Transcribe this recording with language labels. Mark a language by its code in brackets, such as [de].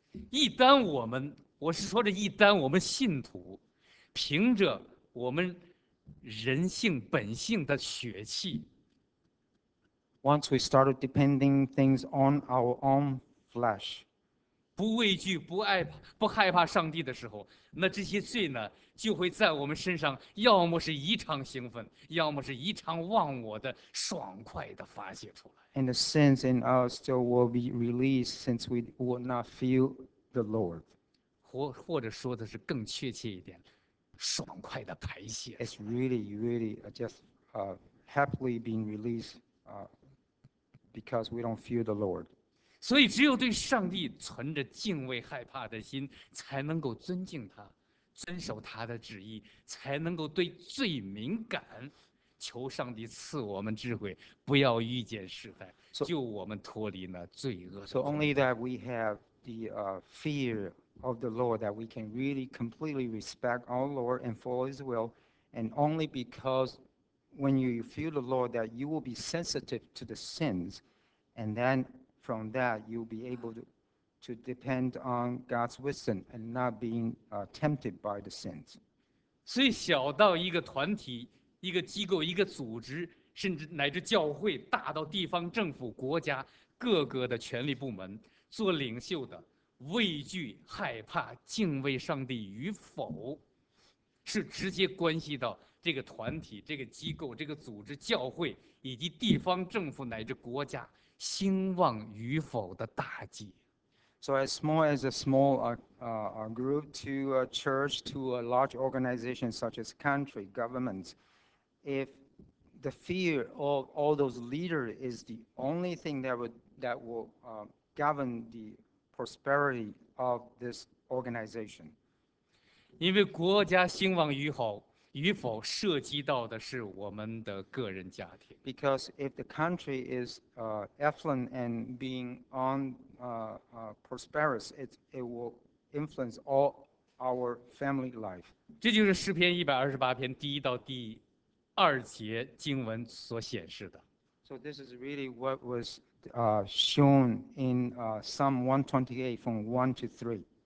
[zh] 一旦我们，我是说这一旦我们信徒，凭着我们人性本性的血气。 [en] Once we started depending things on our own flesh, [zh] 不畏惧、不爱、不害怕上帝的时候，那这些罪呢，就会在我们身上，要么是异常兴奋，要么是异常忘我的爽快的发泄出来。 [en] And the sins in us still will be released since we will not feel the Lord. [zh] 或者说的是更确切一点，爽快的排泄。 [en] It's really, really just happily being released. Because we don't fear the Lord. [zh] 所以只有对上帝存着敬畏害怕的心，才能够尊敬他，遵守他的旨意，才能够对罪敏感，求上帝赐我们智慧，不要遇见试探，救我们脱离那罪恶。 [en] So only that we have the fear of the Lord that we can really completely respect our Lord and follow His will, and only because when you feel the Lord, that you will be sensitive to the sins, and then from that you'll be able to depend on God's wisdom and not being tempted by the sins. [zh] 所以小到一个团体、一个机构、一个组织，甚至乃至教会，大到地方政府、国家各个的权力部门，做领袖的畏惧、害怕、敬畏上帝与否，是直接关系到。这个团体、这个机构、这个组织、教会以及地方政府乃至国家兴旺与否的大计。 [en] So as small as a small group to a church to a large organization such as country, governments, if the fear of all those leaders is the only thing that will govern the prosperity of this organization. [zh] 因为国家兴旺与否涉及到的是我们的个人家庭。 [en] Because if the country is affluent and being on prosperous, it will influence all our family life. [zh] 这就是诗篇128篇第1到第2节经文所显示的。 [en] So this is really what was shown in Psalm 128 from 1 to 3.